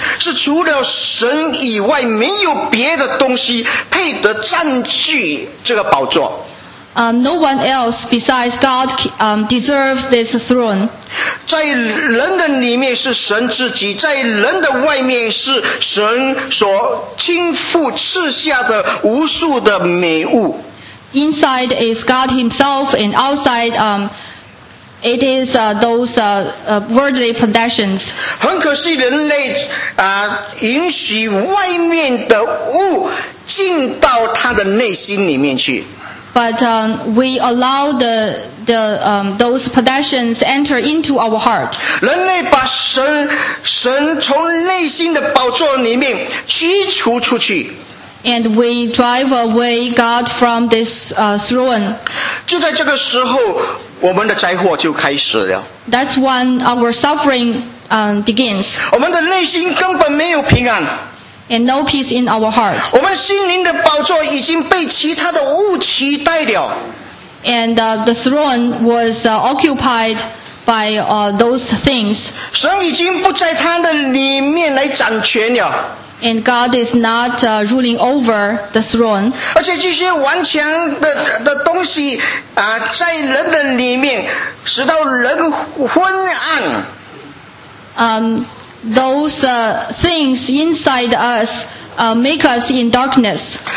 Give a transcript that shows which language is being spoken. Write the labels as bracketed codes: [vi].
[zh] 是除了神以外没有别的东西配得占据这个宝座。 [en] No one else besides God deserves this throne. [zh] 在人的里面是神自己，在人的外面是神所倾覆赐下的无数的美物。 [en] Inside is God himself, and outside it is those worldly possessions. [zh] 很可惜人类允许外面的物进到他的内心里面去。 [en] But we allow those possessions enter into our heart. [zh] 人类把神从内心的宝座里面驱逐出去。 [en] And we drive away God from this throne. [zh] 就在这个时候，我们的灾祸就开始了。 [en] That's when our suffering begins. [zh] 我们的内心根本没有平安。 [en] And no peace in our heart. [zh] 我们心灵的宝座已经被其他的物取代了。 [en] And the throne was occupied by those things. [zh] 神已经不在他的里面来掌权了。 [en] And God is not ruling over the throne. [zh] 而且这些顽强的东西在人的里面使到人昏暗。 [en] Those things inside us make us in darkness.